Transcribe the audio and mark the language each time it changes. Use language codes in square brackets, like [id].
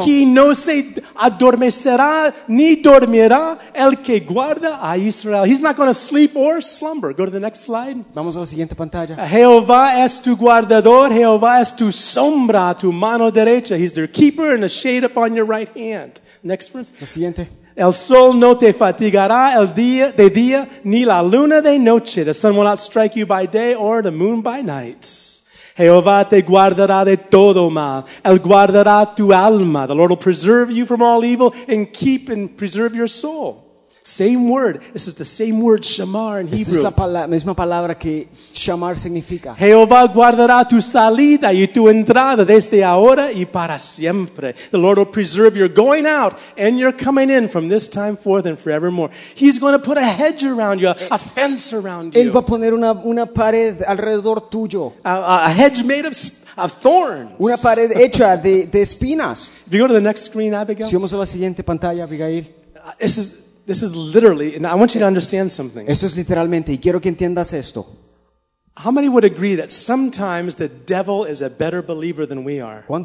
[es] Y aquí no se adormecerá ni dormirá el que guarda a Israel. [en] He's not going to sleep or slumber. Go to the next slide. [es] Vamos a la siguiente pantalla. Jehová es tu guardador. Jehová es tu sombra, tu mano derecha. [en] He's their keeper and a shade upon your right hand. Next verse. [es] La siguiente. El sol no te fatigará el día de día, ni la luna de noche. [en] The sun will not strike you by day or the moon by night. [es] Jehová te guardará de todo mal. Él guardará tu alma. [en] The Lord will preserve you from all evil and keep and preserve your soul. Same word. This is the same word, shamar, in Hebrew. [es] Es la misma palabra que shamar significa. Jehová guardará tu salida y tu entrada desde ahora y para siempre. [en] The Lord will preserve your going out and your coming in from this time forth and forevermore. He's going to put a hedge around you, a fence around you. [es] Él va a poner una pared alrededor tuyo. [en] A hedge made of thorns. [es] Una pared hecha de espinas. [en] If you go to the next screen, Abigail. [es] Si vamos a la siguiente pantalla, Abigail. [en] This is literally, and I want you to understand something. [es] Eso es literalmente, y quiero que entiendas esto. [en] How many would agree that sometimes the devil is a better believer than we are?